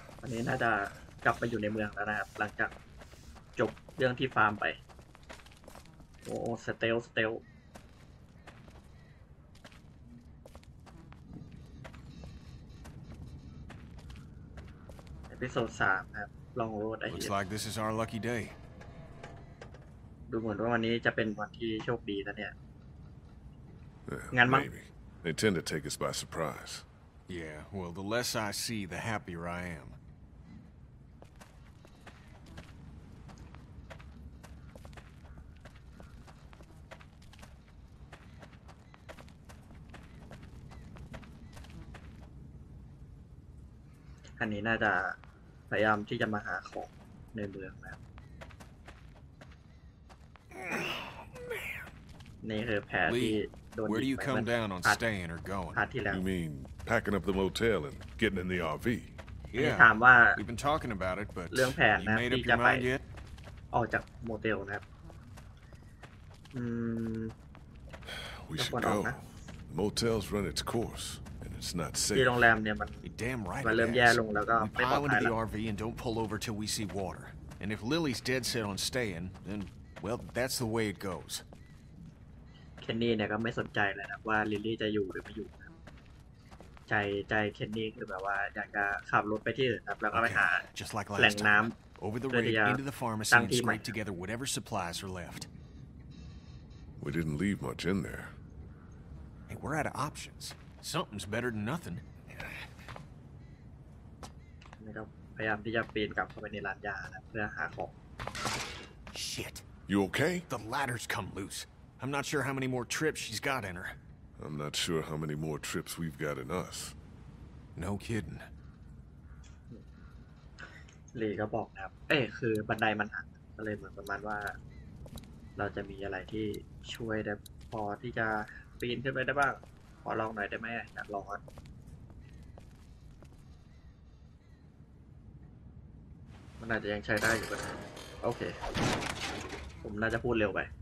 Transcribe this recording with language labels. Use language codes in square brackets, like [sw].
[th] นี่น่าจะกลับไปอยู่ในเมืองแล้วนะครับหลังจากจบเรื่องที่ฟาร์มไปโอ้สเตลเอพิโซด3ครับลองโรดไอ้เหี้ย [en] Looks like this is our lucky day [th] ดูเหมือนว่าวันนี้จะเป็นวันที่โชคดีนะเนี่ย งั้นมั้ง [en] They tend to take us by surprise Yeah well the less I see the happier I am [th] อันนี้น่าจะพยายามที่จะมาหาของในเมืองนะครับนี่คือแผลที่โดน [en] Where do you come down on staying or going? You mean packing up the motel and getting in the RV? Yeah. [th] ถามว่า [en] We've been talking about it, but [th] เรื่องแผนนะที่จะไปออกจากโมเทลนะครับ [en] We should go. The motel's run its course. It's not safe. [th] โรงแรมเนี่ยมัน [en] damn right [th] มันเริ่มแย่ลงแล้วก็ไม่ปลอดภัยแล้ว [en] We pile into the RV and don't pull over till we see water. And if Lily's dead set on staying, then well, that's the way it goes. [th] เคนนี่เนี่ยก็ไม่สนใจเลยนะว่าลิลลี่จะอยู่หรือไม่อยู่ใจเคนนี่คือแบบว่าอยากจะขับรถไปที่อื่นครับแล้วก็ไปหาแหล่งน้ำ [en] over the road into the pharmacy and scrape together whatever supplies are left. We didn't leave much in there. Hey, we're out of options. Something's better than nothing. [th] นี่ครับพยายามที่จะปีนกลับเข้าไปในร้านยาเพื่อหาของ [en] Shit. You okay? The ladder's come loose. I'm not sure how many more trips she's got in her. I'm not sure how many more trips we've got in us. No kidding. [th] ลีก็บอกนะครับเอ้คือบันไดมันหักก็เลยเหมือนประมาณว่าเราจะมีอะไรที่ช่วยได้พอที่จะปีนขึ้นไปได้บ้างขอลองหน่อยได้ไหมอยากลองมันอาจจะยังใช้ได้อยู่ก็ได้โอเคผมน่าจะพูดเร็วไป